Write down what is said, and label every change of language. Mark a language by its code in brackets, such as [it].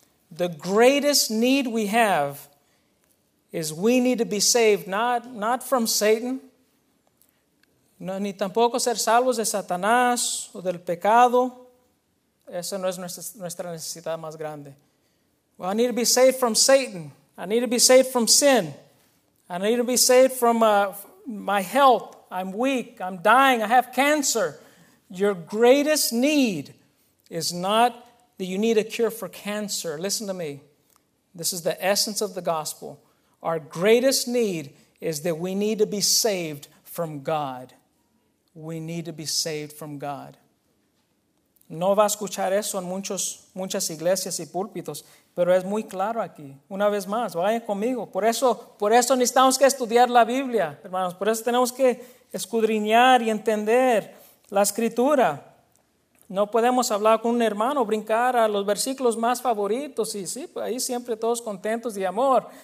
[en] The greatest need we have is we need to be saved, not from Satan, no, [es] ni tampoco ser salvos de Satanás o del pecado. Esa no es nuestra necesidad más grande. [en] Well, I need to be saved from Satan. I need to be saved from sin. I need to be saved from my health. I'm weak. I'm dying. I have cancer. Your greatest need is not that you need a cure for cancer. Listen to me. This is the essence of the gospel. Our greatest need is that we need to be saved from God. We need to be saved from God. [es] No va a escuchar eso en muchas iglesias y púlpitos, pero es muy claro aquí. Una vez más, vayan conmigo. Por eso necesitamos que estudiar la Biblia, hermanos. Por eso tenemos que escudriñar y entender la Escritura. No podemos hablar con un hermano, brincar a los versículos más favoritos y sí, ahí siempre todos contentos y amor.